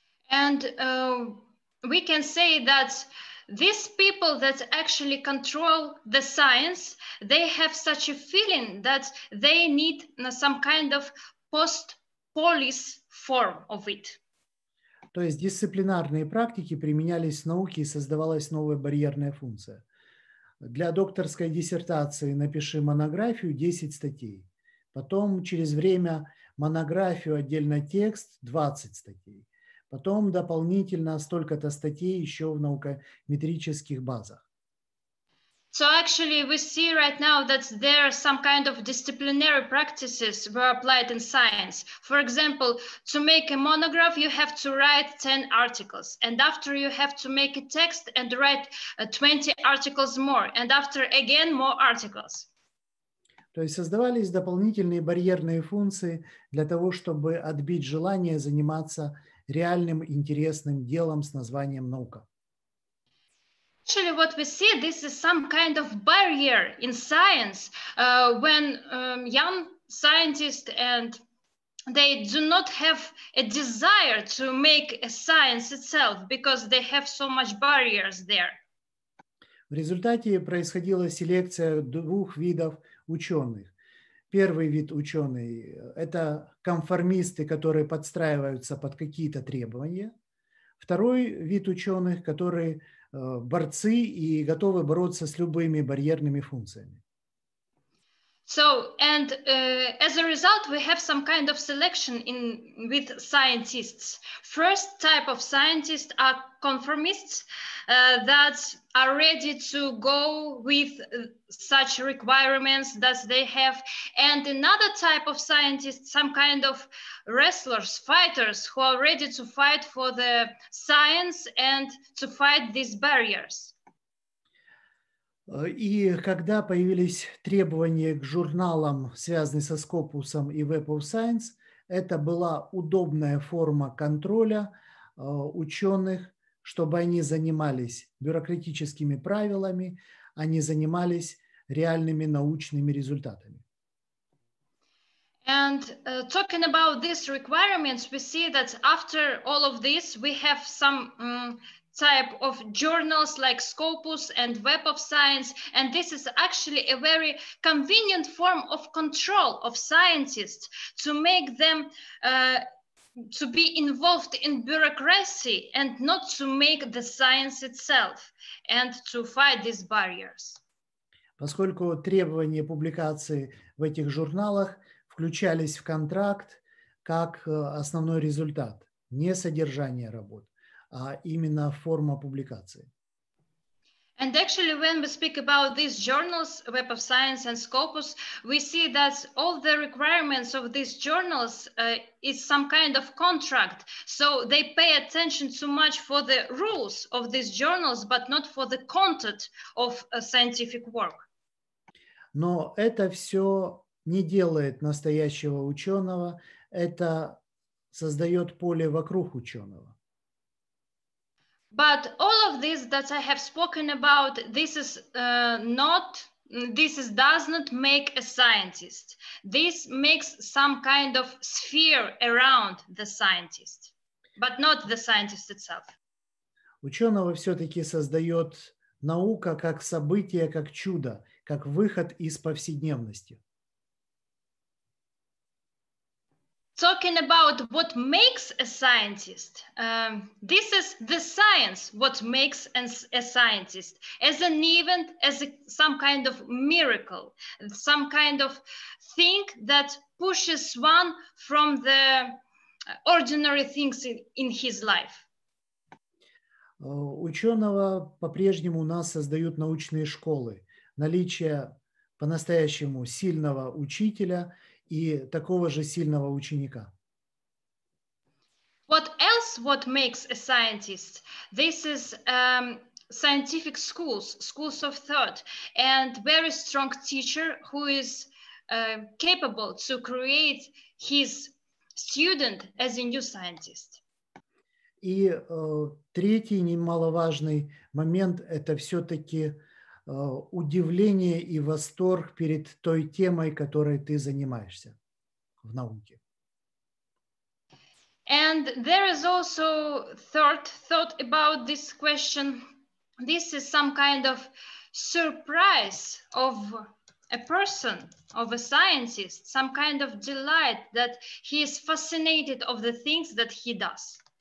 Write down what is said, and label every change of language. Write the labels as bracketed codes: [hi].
[en] And we can say that these people that actually control the science, they have such a feeling that they need some kind of post-polis form of it. [ru] То есть дисциплинарные практики применялись в науке и создавалась новая барьерная функция. Для докторской диссертации напиши монографию 10 статей. Потом через время монографию отдельно текст 20 статей. Потом дополнительно столько-то статей еще в наукометрических базах. [en] So actually we see right now that there are some kind of disciplinary practices were applied in science. For example, to make a monograph, you have to write 10 articles. And after you have to make a text and write 20 articles more. And after again more articles. [ru] То есть создавались дополнительные барьерные функции для того, чтобы отбить желание заниматься реальным интересным делом с названием наука. [en] Actually, what we see, this is some kind of barrier in science when young scientists and they do not have a desire to make a science itself because they have so much barriers there. [ru] В результате происходила селекция двух видов ученых. Первый вид ученый – это конформисты, которые подстраиваются под какие-то требования. Второй вид ученых, которые борцы и готовы бороться с любыми барьерными функциями. [en] So, and as a result, we have some kind of selection in with scientists. First type of scientists are conformists that are ready to go with such requirements that they have. And another type of scientists, some kind of wrestlers, fighters, who are ready to fight for the science and to fight these barriers. [ru] И когда появились требования к журналам, связанные со Скопусом и Web of Science, это была удобная форма контроля ученых, чтобы они занимались бюрократическими правилами, а не занимались реальными научными результатами. [en] And talking about these requirements, we see that after all of this, we have some type of journals like Scopus and Web of Science, and this is actually a very convenient form of control of scientists to make them to be involved in bureaucracy and not to make the science itself and to fight these barriers. [ru] Поскольку требования публикации в этих журналах включались в контракт как основной результат, не содержание работ, а именно форма публикации. [en] And actually, when we speak about these journals, Web of Science and Scopus, we see that all the requirements of these journals is some kind of contract. So they pay attention too much for the rules of these journals, but not for the content of a scientific work. [ru] Но это все не делает настоящего ученого, это создает поле вокруг ученого. [en] But all of this that I have spoken about, this is not, this is, does not make a scientist. This makes some kind of sphere around the scientist, but not the scientist itself. [ru] Ученого все-таки создает наука как событие, как чудо, как выход из повседневности. [en] talking about what makes a scientist, this is the science what makes a scientist, as an event, as some kind of miracle, some kind of thing that pushes one from the ordinary things in his life. [ru] Ученого по-прежнему у нас создают научные школы. Наличие по-настоящему сильного учителя и такого же сильного ученика. [en] What else what makes a scientist? This is scientific schools, schools of thought, and very strong teacher who is capable to create his student as a new scientist. [ru] И третий немаловажный момент – это все-таки удивление и восторг перед той темой, которой ты занимаешься в науке. [en] And there is also thought about this question. This is some kind of surprise of a person, of a scientist, some kind of delight that he is fascinated of the things that he does.